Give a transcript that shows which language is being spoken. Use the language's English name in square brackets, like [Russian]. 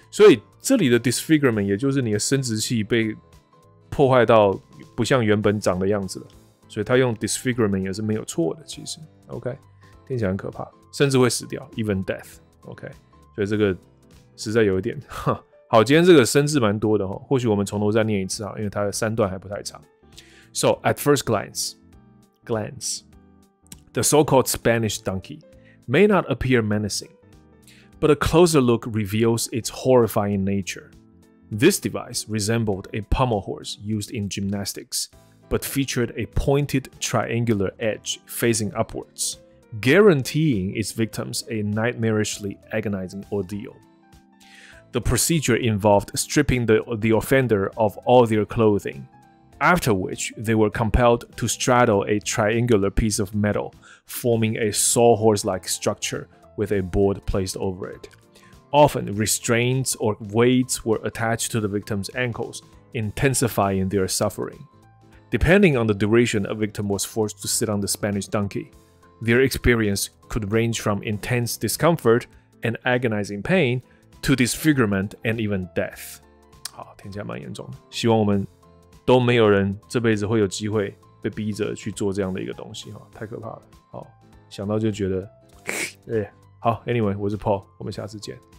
[Chinese] 所以这里的 disfigurement 也就是你的生殖器被破坏到不像原本长的样子了，所以他用 disfigurement 也是没有错的。其实 ，OK， 听起来很可怕，甚至会死掉 ， [English] even death。 [Chinese] OK， 所以这个实在有一点，好，今天这个生字蛮多的哈，或许我们从头再念一次啊，因为它的三段还不太长。 [English] So at first glance, the so-called Spanish donkey may not appear menacing. But a closer look reveals its horrifying nature. This device resembled a pommel horse used in gymnastics, but featured a pointed triangular edge facing upwards, guaranteeing its victims a nightmarishly agonizing ordeal. The procedure involved stripping the offender of all their clothing, after which they were compelled to straddle a triangular piece of metal, forming a sawhorse-like structureWith a board placed over it. Often, restraints or weights were attached to the victim's ankles, intensifying their suffering. Depending on the duration a victim was forced to sit on the Spanish donkey, their experience could range from intense discomfort and agonizing pain to disfigurement and even death. [Chinese] 好，听起来蛮严重的。希望我们都没有人这辈子会有机会被逼着去做这样的一个东西，哈，太可怕了。好，想到就觉得，哎。好 ，Anyway， 我是 Paul， 我们下次见。